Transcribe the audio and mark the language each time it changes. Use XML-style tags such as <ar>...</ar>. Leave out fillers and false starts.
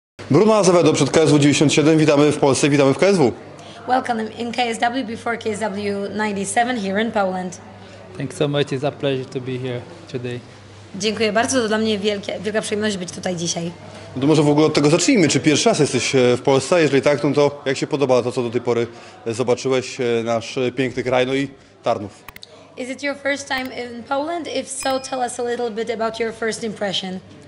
<pl>Bruno Azevedo przed KSW 97. Witamy w Polsce, witamy w KSW.</pl> <en>Welcome in KSW before KSW 97 here in Poland. Thanks so much. It's a pleasure to be here today.</en> <pl>Dziękuję bardzo. To dla mnie wielka przyjemność być tutaj dzisiaj. No to może w ogóle od tego zacznijmy. Czy pierwszy raz jesteś w Polsce? Jeżeli tak, to jak się podoba to, co do tej pory zobaczyłeś, nasz piękny kraj, no i Tarnów?</pl> <en>Is it your first time in Poland? If so, tell us a little bit about your first impression.</en>